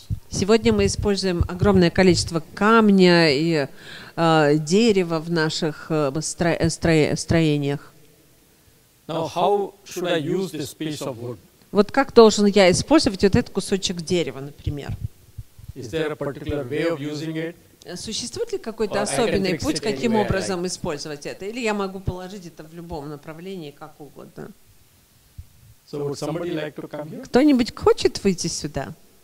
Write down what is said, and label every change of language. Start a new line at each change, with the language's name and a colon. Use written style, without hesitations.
Russian: Сегодня мы используем огромное количество камня и дерева в наших строениях.
English: Now, how should I use this piece of wood?
Russian: Вот как должен я использовать вот этот кусочек дерева, например?
English: Is there a particular way of using it?
Russian: Существует ли какой-то особенный путь, каким образом использовать это? Или я могу положить это в любом направлении, как угодно?
English: So would somebody like to come here?
Russian: Кто-нибудь хочет выйти сюда?